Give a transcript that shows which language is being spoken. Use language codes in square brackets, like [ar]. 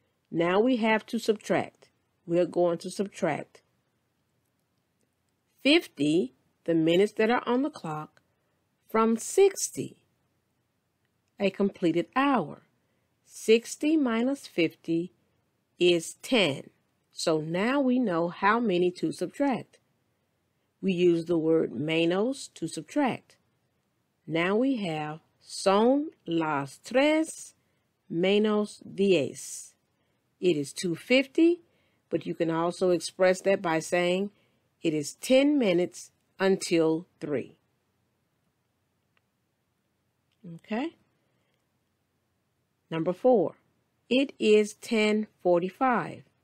[en] Now we have to subtract. We're going to subtract 50, the minutes that are on the clock, from 60, a completed hour. 60 minus 50 is 10. So now we know how many to subtract. We use the word menos to subtract. Now we have [es] son las tres menos diez. [en] It is 2:50, but you can also express that by saying it is 10 minutes until 3. Okay? Number 4. It is 10:45.